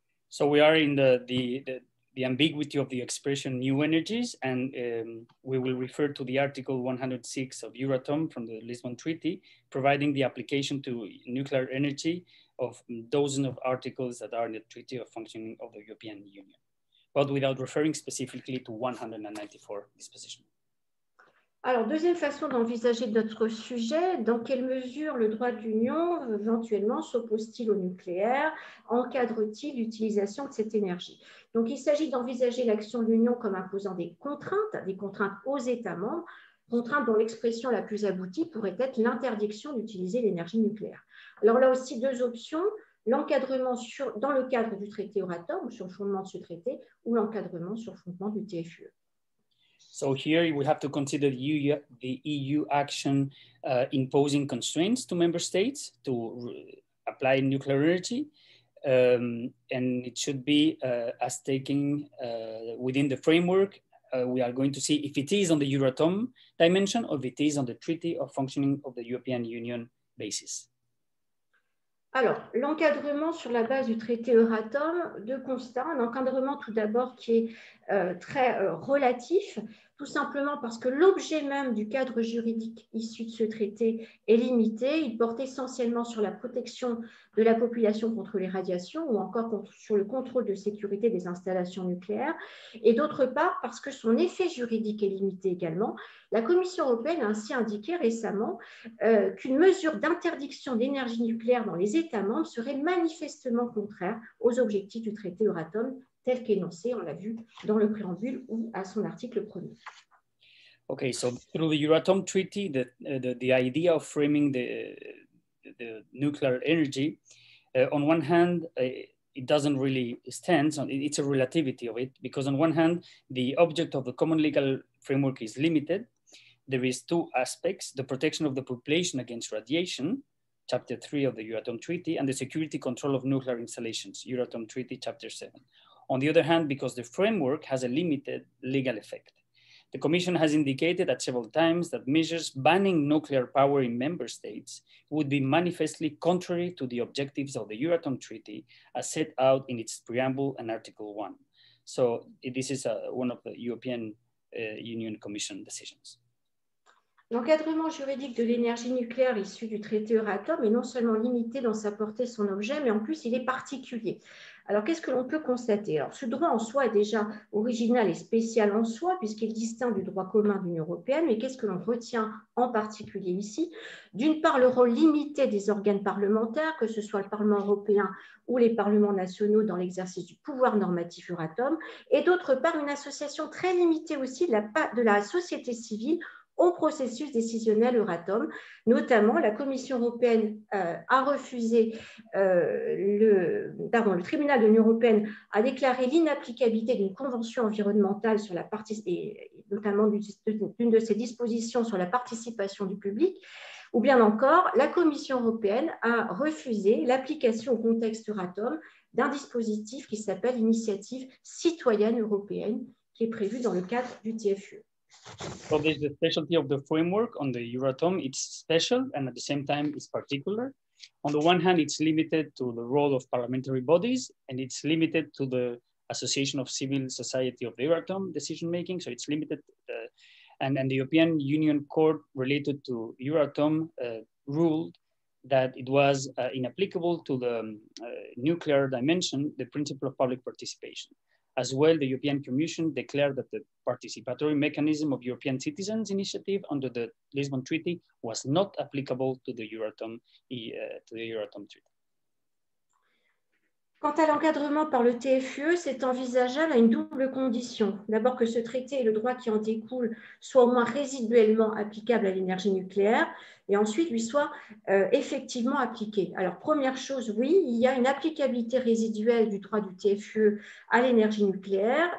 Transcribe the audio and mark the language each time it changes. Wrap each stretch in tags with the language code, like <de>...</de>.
<en>So we are in the ambiguity of the expression new energies, and we will refer to the article 106 of Euratom from the Lisbon Treaty, providing the application to nuclear energy of dozens of articles that are in the Treaty of Functioning of the European Union, but without referring specifically to 194 dispositions.</en> <fr>Alors, deuxième façon d'envisager notre sujet, dans quelle mesure le droit de l'Union éventuellement s'oppose-t-il au nucléaire, encadre-t-il l'utilisation de cette énergie? Donc, il s'agit d'envisager l'action de l'Union comme imposant des contraintes aux États membres, contraintes dont l'expression la plus aboutie pourrait être l'interdiction d'utiliser l'énergie nucléaire. Alors là aussi, deux options, l'encadrement sur, dans le cadre du traité Euratom, ou sur le fondement de ce traité, ou l'encadrement sur le fondement du TFUE.</fr> <en>So here we have to consider the EU action imposing constraints to member states to apply nuclear energy. And it should be as taking within the framework. We are going to see if it is on the Euratom dimension or if it is on the Treaty of Functioning of the European Union basis.</en> <fr>Alors, l'encadrement sur la base du traité Euratom, deux constats. Un encadrement tout d'abord qui est très relatif, tout simplement parce que l'objet même du cadre juridique issu de ce traité est limité. Il porte essentiellement sur la protection de la population contre les radiations ou encore sur le contrôle de sécurité des installations nucléaires. Et d'autre part, parce que son effet juridique est limité également. La Commission européenne a ainsi indiqué récemment qu'une mesure d'interdiction d'énergie nucléaire dans les États membres serait manifestement contraire aux objectifs du traité Euratom tel qu'énoncé, on l'a vu, dans le préambule ou à son article premier.</fr> <en>Okay, so through the Euratom Treaty, the idea of framing the nuclear energy, on one hand, it doesn't really stand, so it's a relativity of it, because on one hand, the object of the common legal framework is limited. There is two aspects, the protection of the population against radiation, Chapter 3 of the Euratom Treaty, and the security control of nuclear installations, Euratom Treaty, Chapter 7. On the other hand, because the framework has a limited legal effect. The Commission has indicated at several times that measures banning nuclear power in member states would be manifestly contrary to the objectives of the Euratom Treaty as set out in its preamble and Article 1. So this is one of the European Union Commission decisions.</en> <fr>L'encadrement juridique de l'énergie nucléaire issu du traité Euratom est non seulement limité dans sa portée, son objet, mais en plus il est particulier. Alors qu'est-ce que l'on peut constater? Alors ce droit en soi est déjà original et spécial en soi puisqu'il distingue du droit commun de l'Union européenne, mais qu'est-ce que l'on retient en particulier ici? D'une part le rôle limité des organes parlementaires, que ce soit le Parlement européen ou les parlements nationaux dans l'exercice du pouvoir normatif Euratom, et d'autre part une association très limitée aussi de la société civile au processus décisionnel Euratom. Notamment, la Commission européenne a refusé, le tribunal de l'Union européenne a déclaré l'inapplicabilité d'une convention environnementale sur la notamment d'une de ses dispositions sur la participation du public, ou bien encore, la Commission européenne a refusé l'application au contexte Euratom d'un dispositif qui s'appelle l'initiative citoyenne européenne, qui est prévue dans le cadre du TFUE.</fr> <en>So this is the specialty of the framework on the Euratom. It's special and at the same time it's particular. On the one hand, it's limited to the role of parliamentary bodies and it's limited to the Association of Civil Society of the Euratom decision-making. So it's limited and the European Union Court related to Euratom ruled that it was inapplicable to the nuclear dimension, the principle of public participation. As well, the European Commission declared that the participatory mechanism of European citizens' initiative under the Lisbon Treaty was not applicable to the Euratom, Treaty.</en> <fr>Quant à l'encadrement par le TFUE, c'est envisageable à une double condition. D'abord que ce traité et le droit qui en découle soient au moins résiduellement applicables à l'énergie nucléaire et ensuite lui soient effectivement appliqués. Alors première chose, oui, il y a une applicabilité résiduelle du droit du TFUE à l'énergie nucléaire.</fr>